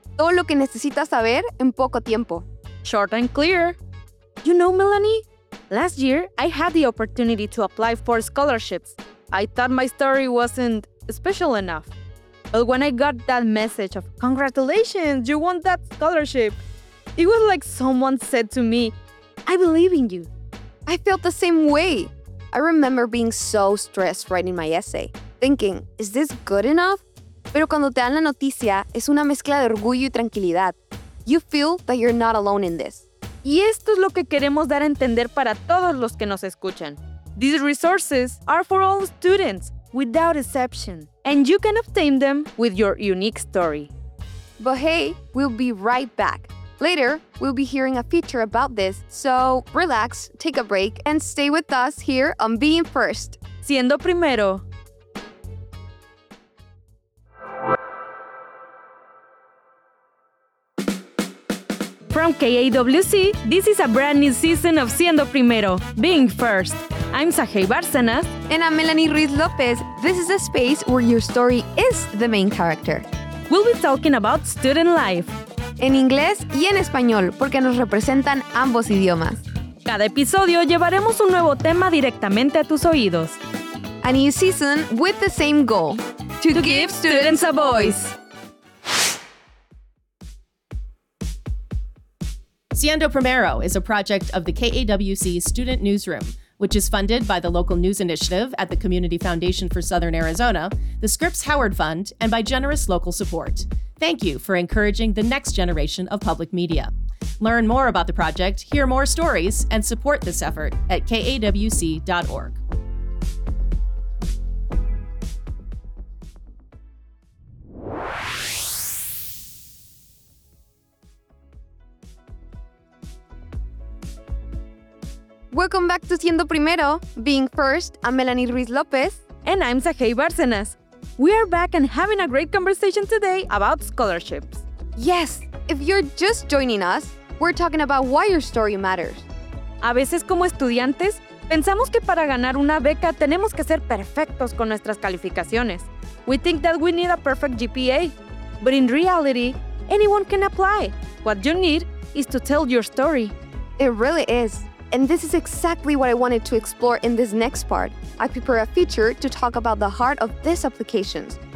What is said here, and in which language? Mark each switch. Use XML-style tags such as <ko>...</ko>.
<es>Todo lo que necesitas saber en poco tiempo.</es> <en>Short and clear. You know, Melanie, last year I had the opportunity to apply for scholarships. I thought my story wasn't special enough. But when I got that message of congratulations, you won that scholarship, it was like someone said to me, I believe in you. I felt the same way. I remember being so stressed writing my essay, thinking, is this good enough?</en> <es>Pero cuando te dan la noticia, es una mezcla de orgullo y tranquilidad.</es> <en>You feel that you're not alone in this.</en> <es>Y esto es lo que queremos dar a entender para todos los que nos escuchan.</es> <en>These resources are for all students, without exception. And you can obtain them with your unique story. But hey, we'll be right back. Later, we'll be hearing a feature about this, so relax, take a break, and stay with us here on Being First.</en> <es>Siendo Primero.</es> <en>From KAWC, this is a brand new season of Siendo Primero, Being First. I'm Sahei Bárcenas. And I'm Melanie Ruiz López. This is a space where your story is the main character. We'll be talking about student life.</en> <es>En inglés y en español, porque nos representan ambos idiomas. Cada episodio llevaremos un nuevo tema directamente a tus oídos.</es> <en>A new season with the same goal. To give students a voice. Siendo Primero is a project of the KAWC Student Newsroom, which is funded by the Local News Initiative at the Community Foundation for Southern Arizona, the Scripps Howard Fund, and by generous local support. Thank you for encouraging the next generation of public media. Learn more about the project, hear more stories, and support this effort at kawc.org. Welcome back to Siendo Primero, Being First. I'm Melanie Ruiz López. And I'm Sahei Bárcenas. We are back and having a great conversation today about scholarships. Yes, if you're just joining us, we're talking about why your story matters.</en> <es>A veces como estudiantes, pensamos que para ganar una beca tenemos que ser perfectos con nuestras calificaciones.</es> <en>We think that we need a perfect GPA. But in reality, anyone can apply. What you need is to tell your story. It really is. And this is exactly what I wanted to explore in this next part. I prepare a feature to talk about the heart of these applications.</en>